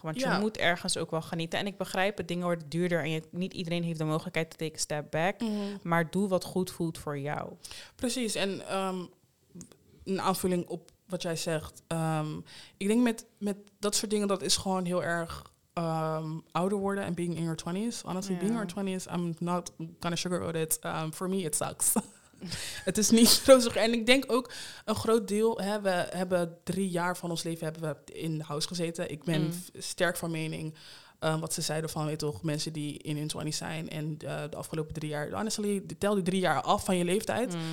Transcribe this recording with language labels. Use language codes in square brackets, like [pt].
[nl] Want je moet ergens ook wel genieten. En ik begrijp het, dingen worden duurder. En niet iedereen heeft de mogelijkheid te [en] take a step back. [nl] Maar doe wat goed voelt voor jou. Precies. En een aanvulling op wat jij zegt. Ik denk met dat soort dingen, dat is gewoon heel erg ouder worden en [en] being in your 20s. Honestly, being in your 20s, I'm not gonna sugarcoat it. For me, it sucks. [nl] Het is niet zo zeg. En ik denk ook een groot deel. Hè, we hebben 3 jaar van ons leven hebben we in house gezeten. Ik ben sterk van mening. Wat ze zeiden van, weet toch, mensen die in hun 20 zijn. En de afgelopen 3 jaar. Honestly, tel die 3 jaar af van je leeftijd.